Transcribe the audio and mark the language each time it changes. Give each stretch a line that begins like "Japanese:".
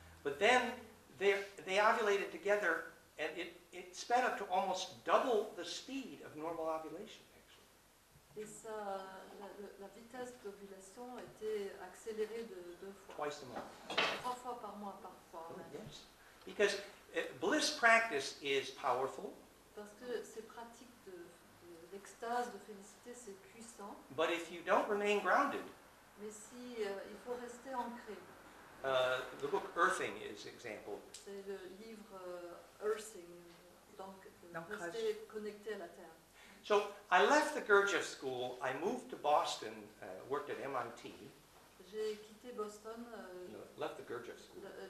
English: But then they ovulated together, and it sped up to almost double the speed of normal ovulation, actually.
French: Et ça, la vitesse d'ovulation était accélérée de deux fois.
English: Twice a month.
French: Trois fois par mois, parfois.
English: Oh, yes. Because bliss practice is powerful.
French: Parce que ces pratiques d'extase, de félicité, c'est puissant.
English: But if you don't remain grounded,
French: mais si, il faut rester ancré.
English: The book Earthing is an example.
French: C'est le livre Earthing, donc rester connecté à la terre.
English: So I left the Gurdjieff school. I moved to Boston. Worked at MIT.
French: J'ai quitté Boston.
English: Left the Gurdjieff school.